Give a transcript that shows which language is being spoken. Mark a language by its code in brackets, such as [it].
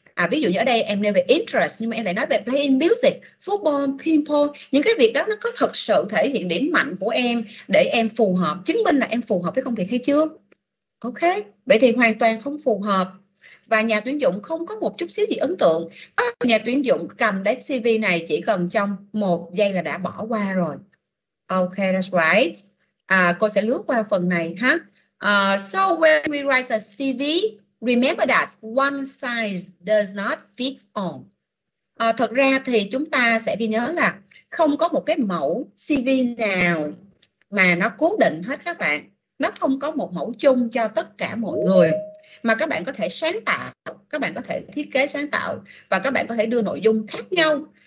[vi] Ví dụ như ở đây em nêu về interest nhưng mà em lại nói về [en] playing music, football, pinball, [vi] những cái việc đó nó có thật sự thể hiện điểm mạnh của em để em phù hợp, chứng minh là em phù hợp với công việc hay chưa. Ok, vậy thì hoàn toàn không phù hợp và nhà tuyển dụng không có một chút xíu gì ấn tượng. Nhà tuyển dụng cầm đấy CV này chỉ cần trong một giây là đã bỏ qua rồi. [en] Ok, that's right. [vi] Cô sẽ lướt qua phần này ha. [en] So when we write a CV, remember that one size does not fit all. [vi] Thật ra thì chúng ta sẽ ghi nhớ là không có một cái mẫu CV nào mà nó cố định hết các bạn. Nó không có một mẫu chung cho tất cả mọi người. Mà các bạn có thể sáng tạo, các bạn có thể thiết kế sáng tạo và các bạn có thể đưa nội dung khác nhau.